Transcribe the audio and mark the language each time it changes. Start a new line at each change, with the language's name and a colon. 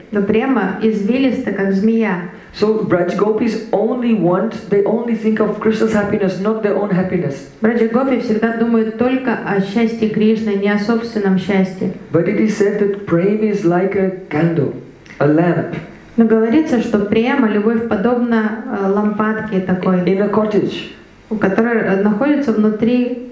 Russian: Но према извилиста, как змея.
English: So Braj gopis only want, they only think of Krishna's happiness, not their own happiness.
Russian: Braj gopi всегда думают только о счастье Кришны, не о собственном счастье.
English: But it is said that Prema is like a candle, a lamp.
Russian: Но говорится, что према, любовь подобна лампадке такой.
English: In a cottage.
Russian: Которая находится внутри